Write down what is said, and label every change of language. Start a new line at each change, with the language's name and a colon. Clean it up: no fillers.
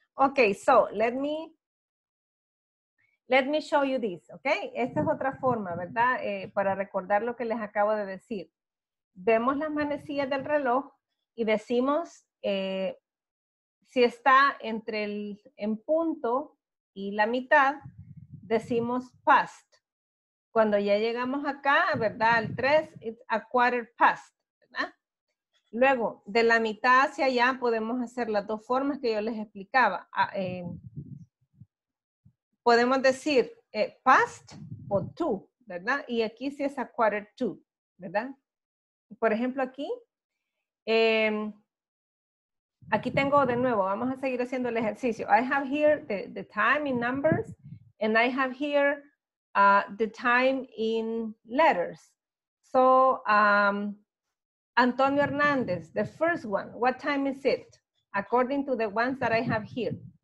English: Okay, so let me show you this, okay?
Spanish: Esta es otra forma, ¿verdad? Para recordar lo que les acabo de decir. Vemos las manecillas del reloj y decimos si está entre en punto y la mitad, decimos past. Cuando ya llegamos acá, ¿verdad? Al 3,
English: it's 9:15.
Spanish: Luego, de la mitad hacia allá podemos hacer las dos formas que yo les explicaba. Podemos decir past o to, ¿verdad? Y aquí sí es 9:45, ¿verdad? Por ejemplo, aquí, aquí tengo de nuevo, vamos a seguir haciendo el ejercicio.
English: I have here the time in numbers and I have here the time in letters. So, Antonio Hernandez, the first one, what time is it? According to the ones that I have here.